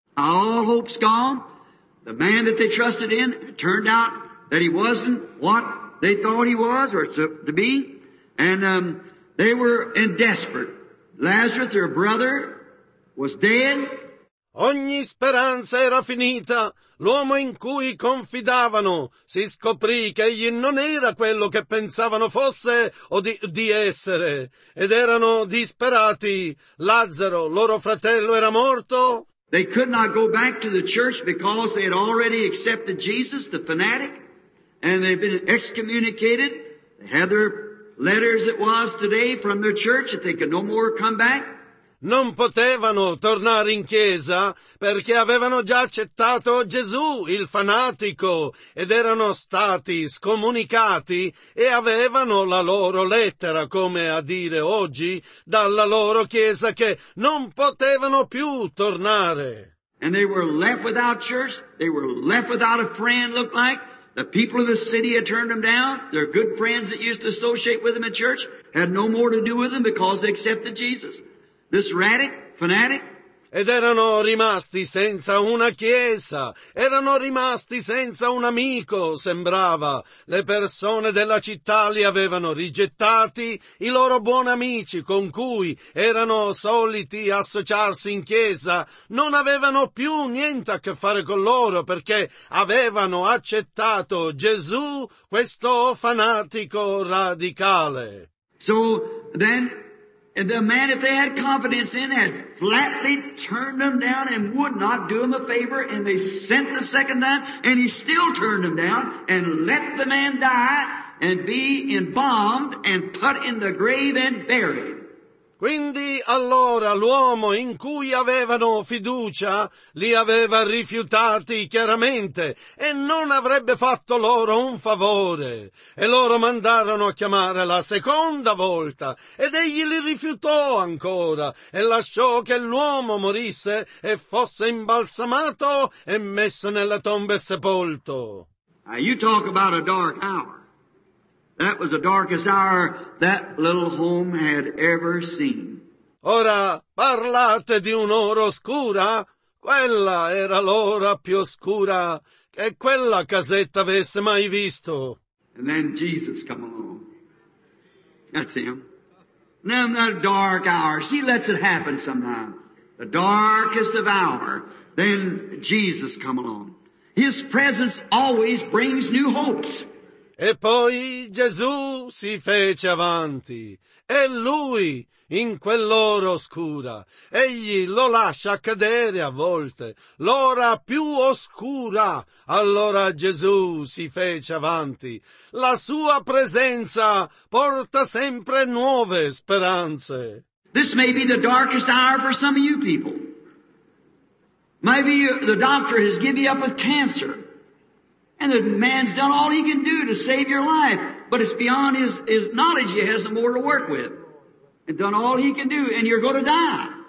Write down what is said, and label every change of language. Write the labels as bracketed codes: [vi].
[en] All hope's gone. The man that they trusted in, it turned out that he wasn't what they thought he was or to be. And they were in desperate. Lazarus, their brother, was dead. [it] Ogni speranza era finita. L'uomo in cui confidavano si scoprì che egli non era quello che pensavano fosse o di essere. Ed erano disperati. Lazzaro, loro fratello, era morto. [en] They could not go back to the church because they had already accepted Jesus, the fanatic, and they'd been excommunicated. They had their letters it was today from their church that they could no more come back. [it] non potevano tornare in chiesa perché avevano già accettato Gesù, il fanatico, ed erano stati scomunicati e avevano la loro lettera, come a dire oggi, dalla loro chiesa che non potevano più tornare. [en] And they were left without church, they were left without a friend, looked like. The people of the city had turned them down. Their good friends that used to associate with them at church had no more to do with them because they accepted Jesus. This radic, fanatic. [it] Ed erano rimasti senza una chiesa, erano rimasti senza un amico, sembrava. Le persone della città li avevano rigettati, i loro buoni amici con cui erano soliti associarsi in chiesa non avevano più niente a che fare con loro perché avevano accettato Gesù, questo fanatico radicale. [en] So then and the man that they had confidence in had flatly turned them down and would not do them a favor, and they sent the second time, and he still turned them down and let the man die and be embalmed and put in the grave and buried. [it] Quindi allora l'uomo in cui avevano fiducia li aveva rifiutati chiaramente e non avrebbe fatto loro un favore. E loro mandarono a chiamare la seconda volta ed egli li rifiutò ancora e lasciò che l'uomo morisse e fosse imbalsamato e messo nella tomba e sepolto. [en] Now you talk about a dark hour. That was the darkest hour that little home had ever seen. [it] Ora parlate di un'ora oscura? Quella era l'ora più oscura che quella casetta avesse mai visto. [en] And then Jesus come along. That's him. Now in that dark hour, she lets it happen sometime. The darkest of hour, then Jesus come along. His presence always brings new hopes. [it] E poi Gesù si fece avanti, e lui in quell'ora oscura, egli lo lascia cadere a volte, l'ora più oscura, allora Gesù si fece avanti. La sua presenza porta sempre nuove speranze. [en] This may be the darkest hour for some of you people. Maybe the doctor has given you up with cancer. And the man's done all he can do to save your life, but it's beyond his knowledge. He has no more to work with. And done all he can do, and you're going to die.